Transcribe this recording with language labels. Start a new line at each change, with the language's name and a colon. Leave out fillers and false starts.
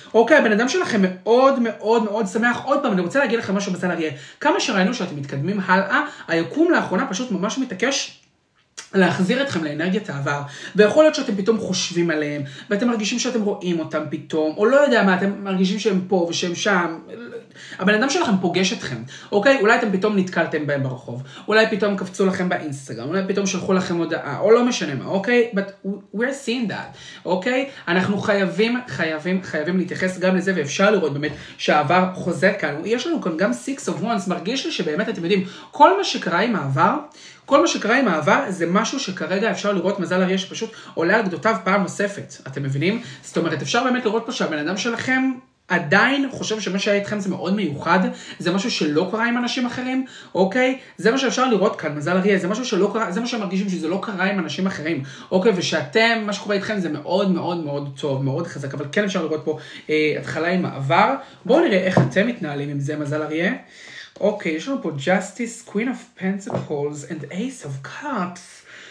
Hebrew: אוקיי, בן אדם שלכם מאוד מאוד מאוד שמח, עוד פעם, אני רוצה להגיד לכם משהו, מזל אריה, כמה שראינו שאתם מתקדמים הלאה, היקום לאחרונה פשוט ממש מתעקש להחזיר אתכם לאנרגיית העבר, ויכול להיות שאתם פתאום חושבים עליהם, ואתם מרגישים שאתם רואים אותם פתאום, או לא יודע מה, אתם מרגישים שהם פה ושהם שם, הבן אדם שלכם פוגש אתכם, אוקיי? אולי אתם פתאום נתקלתם בהם ברחוב, אולי פתאום קפצו לכם באינסטגרם, אולי פתאום שלחו לכם הודעה, או לא משנה מה, אוקיי?
English: But we're seeing that, אוקיי?
Hebrew: אנחנו חייבים, חייבים, חייבים להתייחס גם לזה, ואפשר לראות באמת שהעבר חוזר כאן. יש לנו כאן גם six of wands, מרגיש לי שבאמת אתם יודעים, כל מה שקרה עם העבר, כל מה שקרה עם העבר זה משהו שכרגע אפשר לראות מזל אריה שפשוט עולה על גדותיו פעם נוספת. אתם מבינים? זאת אומרת, אפשר באמת לראות פה שהבן אדם שלכם עדיין חושב שמה שהיה איתכם זה מאוד מיוחד, זה משהו שלא קרה עם אנשים אחרים, אוקיי? זה מה שאפשר לראות כאן, מזל אריה, זה משהו שלא קרה, זה מה שמרגישים שזה לא קרה עם אנשים אחרים, אוקיי? ושאתם, מה שקורה איתכם זה מאוד מאוד מאוד טוב, מאוד חזק, אבל כן אפשר לראות פה התחלה עם העבר. בואו נראה איך אתם מתנהלים עם זה, מזל אריה. אוקיי, יש לנו פה Justice, Queen of Pentacles and Ace of Cups.